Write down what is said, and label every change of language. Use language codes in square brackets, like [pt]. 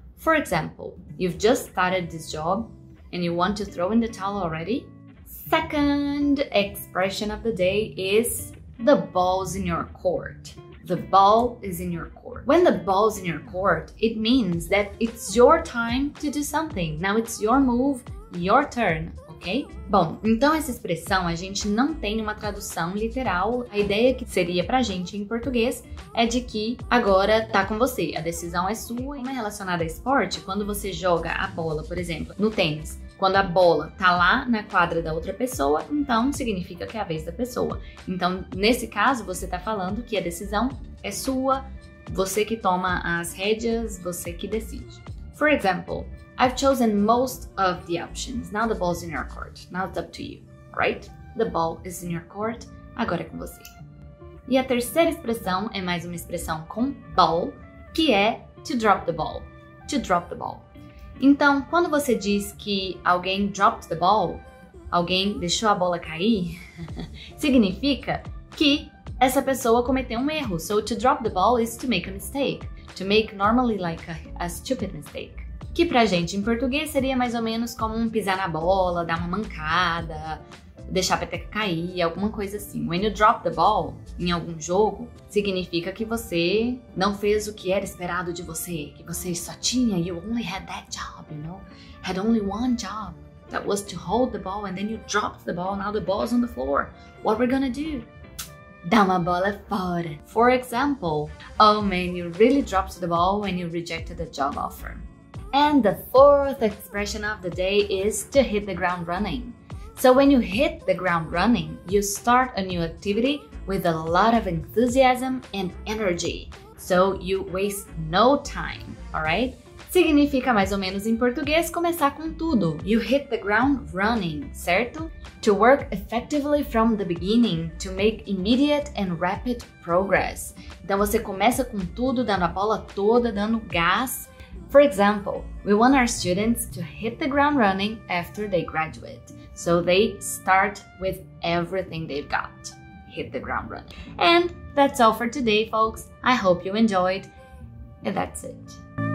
[en] For example, you've just started this job and you want to throw in the towel already? Second expression of the day is the ball's in your court. The ball is in your court. When the ball's in your court, it means that it's your time to do something. Now, it's your move. Your turn, ok? [pt] Bom, então essa expressão a gente não tem uma tradução literal. A ideia que seria pra gente em português é de que agora tá com você, a decisão é sua. Como é relacionada a esporte, quando você joga a bola, por exemplo, no tênis, quando a bola tá lá na quadra da outra pessoa, então significa que é a vez da pessoa. Então, nesse caso, você tá falando que a decisão é sua, você que toma as rédeas, você que decide. [en] For example, I've chosen most of the options. Now the ball's in your court. Now it's up to you, right? The ball is in your court. [pt] Agora é com você. E a terceira expressão é mais uma expressão com ball, que é [en] to drop the ball. [pt] To drop the ball. Então, quando você diz que alguém [en] dropped the ball, [pt] alguém deixou a bola cair, significa que essa pessoa cometeu um erro. [en] So to drop the ball is to make a mistake. To make normally like a stupid mistake. [pt] Que pra gente em português seria mais ou menos como um pisar na bola, dar uma mancada, deixar a peteca cair, alguma coisa assim. [en] When you drop the ball [pt] em algum jogo, significa que você não fez o que era esperado de você, que você só tinha, [en] you only had that job, you know? Had only one job, that was to hold the ball and then you dropped the ball, now the ball's on the floor. What we're gonna do? [pt] Dá uma bola fora. [en] For example, oh man, you really dropped the ball when you rejected the job offer. And the fourth expression of the day is to hit the ground running. So when you hit the ground running, you start a new activity with a lot of enthusiasm and energy. So you waste no time, all right? [pt] Significa mais ou menos em português começar com tudo. [en] You hit the ground running, [pt] certo? [en] To work effectively from the beginning, to make immediate and rapid progress. [pt] Então você começa com tudo, dando a bola toda, dando gás. [en] For example, we want our students to hit the ground running after they graduate. So they start with everything they've got. Hit the ground running. And that's all for today, folks. I hope you enjoyed. And that's it.